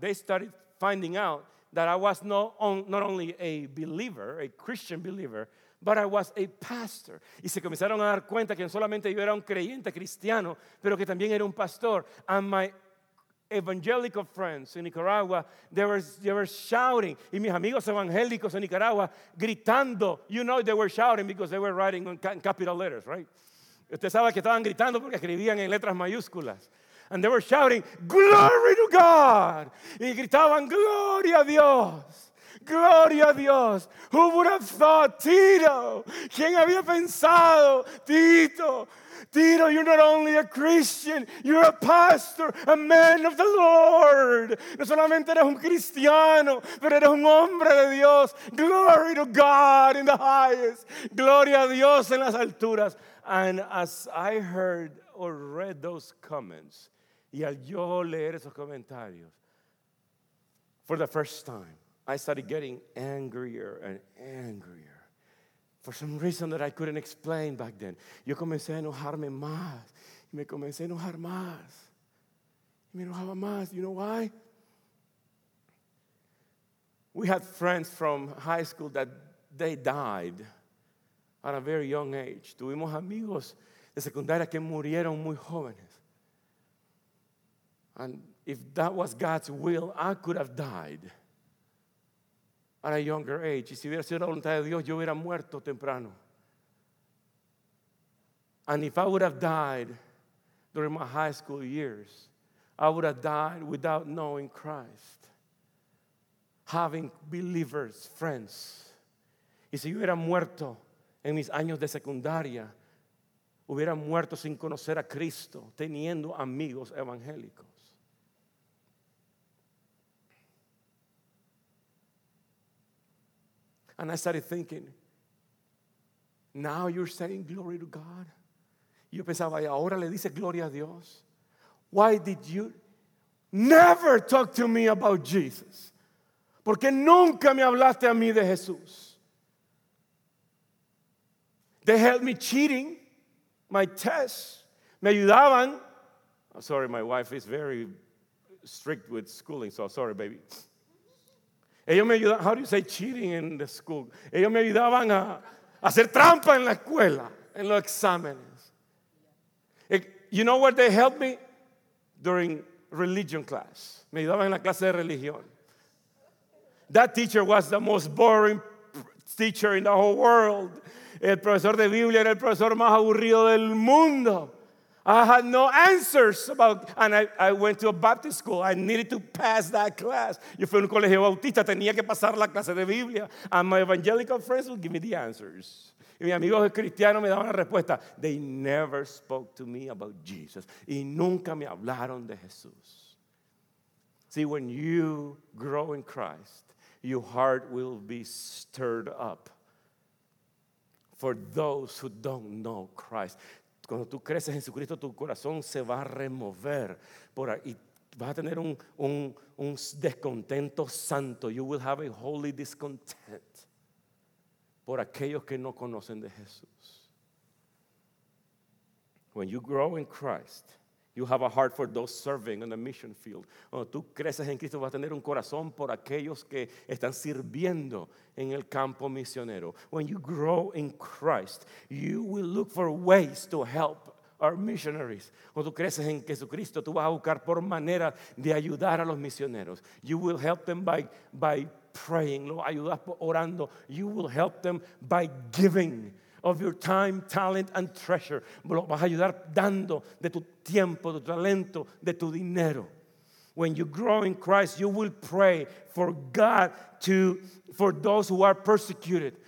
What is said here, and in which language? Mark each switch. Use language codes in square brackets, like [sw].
[en] They started finding out that I was not only a believer, a Christian believer, but I was a pastor. [es] Y se comenzaron a dar cuenta que no solamente yo era un creyente cristiano, pero que también era un pastor. [en] And my evangelical friends in Nicaragua, they were shouting. [es] Y mis amigos evangélicos en Nicaragua, gritando. [en] You know they were shouting because they were writing in capital letters, right? [es] Usted sabe que estaban gritando porque escribían en letras mayúsculas. [en] And they were shouting, glory to God. [es] Y gritaban, gloria a Dios. Gloria a Dios. [en] Who would have thought, Tito? [es] ¿Quién había pensado, Tito? [en] Tito, you're not only a Christian, you're a pastor, a man of the Lord. [es] No solamente eres un cristiano, pero eres un hombre de Dios. [en] Glory to God in the highest. [es] Gloria a Dios en las alturas. [en] And as I heard or read those comments, [es] y al yo leer esos comentarios, [en] for the first time, I started getting angrier and angrier. For some reason that I couldn't explain back then. [es] Yo comencé a enojarme más. Y me comencé a enojar más. Y me enojaba más. [en] You know why? We had friends from high school that they died at a very young age. [es] Tuvimos amigos de secundaria que murieron muy jóvenes. [en] And if that was God's will, I could have died at a younger age. [es] Y si hubiera sido la voluntad de Dios, yo hubiera muerto temprano. [en] And if I would have died during my high school years, I would have died without knowing Christ, having believers, friends. [es] Y si yo hubiera muerto en mis años de secundaria, hubiera muerto sin conocer a Cristo, teniendo amigos evangélicos. [en] And I started thinking, now you're saying glory to God? [es] Yo pensaba, y ahora le dice gloria a Dios. [en] Why did you never talk to me about Jesus? [es] Porque nunca me hablaste a mí de Jesús. [en] They helped me cheating my tests. [es] Me ayudaban. [en] I'm sorry, my wife is very strict with schooling, so sorry, baby. [es] Ellos me ayudaban, [en] how do you say cheating in the school? [es] Ellos me ayudaban a hacer trampa en la escuela, en los exámenes. [en] You know where they helped me? During religion class. [es] Me ayudaban en la clase de religión. [en] That teacher was the most boring teacher in the whole world. [es] El profesor de Biblia era el profesor más aburrido del mundo. [en] I had no answers about, and I went to a Baptist school. I needed to pass that class. [es] Yo fui a un colegio bautista, tenía que pasar la clase de Biblia. [en] And my evangelical friends would give me the answers. [es] Y mis amigos cristianos me daban la respuesta. [en] They never spoke to me about Jesus. [es] Y nunca me hablaron de Jesús. [en] See, when you grow in Christ, your heart will be stirred up for those who don't know Christ. [es] Cuando tú creces en Jesucristo, tu corazón se va a remover y vas a tener un descontento santo. [en] You will have a holy discontent [es] por aquellos que no conocen de Jesús. [en] When you grow in Christ, you have a heart for those serving on the mission field. [es] Cuando tú creces en Cristo, vas a tener un corazón por aquellos que están sirviendo en el campo misionero. [en] When you grow in Christ, you will look for ways to help our missionaries. [es] Cuando tú creces en Jesucristo, tú vas a buscar por manera de ayudar a los misioneros. [en] You will help them by praying. [es] Lo ayudas orando. [en] You will help them by giving of your time, talent, and treasure. [es] Lo vas a ayudar dando de tu tiempo, de tu talento, de tu dinero. [en] When you grow in Christ, you will pray for God to for those who are persecuted.